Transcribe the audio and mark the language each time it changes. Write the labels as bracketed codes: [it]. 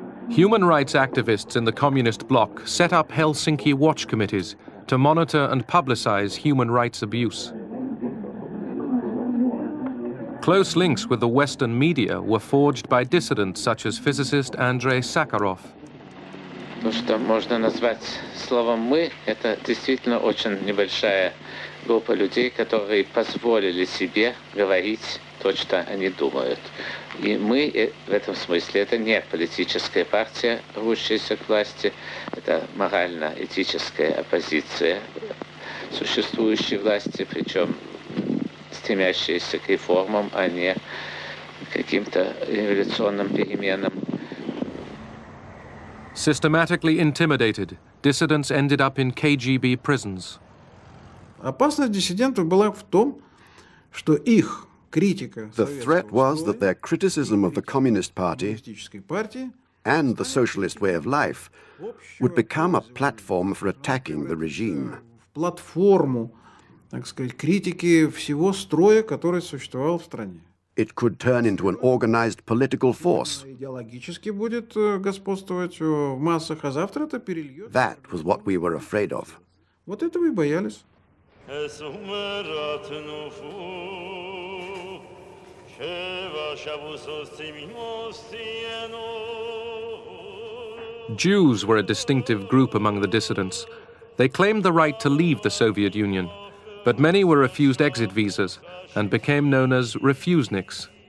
[en] Human rights activists in the communist bloc set up Helsinki watch committees to monitor and publicize human rights abuse. Close links with the Western media were forged by dissidents such as physicist Andrei Sakharov. [ru] То, что можно назвать словом «мы», это действительно очень небольшая группа людей, которые позволили себе говорить то, что они думают. И мы в этом смысле – это не политическая партия, рвущаяся к власти, это морально-этическая оппозиция существующей власти, причем стремящаяся к реформам, а не к каким-то революционным переменам. [en] Systematically intimidated, dissidents ended up in KGB prisons. [ru] Опасность диссидентов была в том, что их критика. [en] The threat was that their criticism of the Communist Party and the socialist way of life would become a platform for attacking the regime. [ru] Платформу, так сказать, критики всего строя, который существовал в стране. [en] It could turn into an organized political force. [ru] Идеологически будет господствовать в массах, а завтра это перельется. [en] That was what we were afraid of. [ru] Вот этого и боялись. [en] Jews were a distinctive group among the dissidents. They claimed the right to leave the Soviet Union, but many were refused exit visas and became known as refuseniks.